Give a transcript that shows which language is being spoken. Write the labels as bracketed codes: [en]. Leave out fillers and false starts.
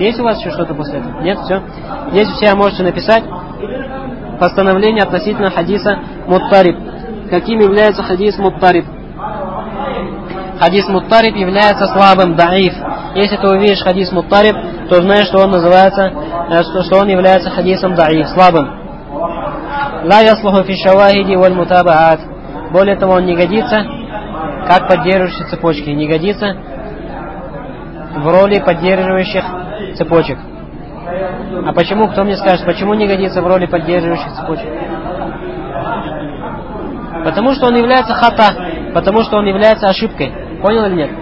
[ru] Есть у вас еще что-то после этого? Нет? Все? Здесь все можете написать постановление относительно хадиса Муттариб. Каким является хадис Муттариб? Хадис Муттариб является слабым, даиф. Если ты увидишь хадис Муттариб, то знаешь, что он называется, что он является хадисом даиф, слабым. [ar] لا يصلح في الشواهد والمتابعات. [ru] Более того, он не годится как поддерживающий цепочки, не годится в роли поддерживающих цепочек. А почему, кто мне скажет, почему не годится в роли поддерживающих цепочек? Потому что он является хата, потому что он является ошибкой. Понял или нет?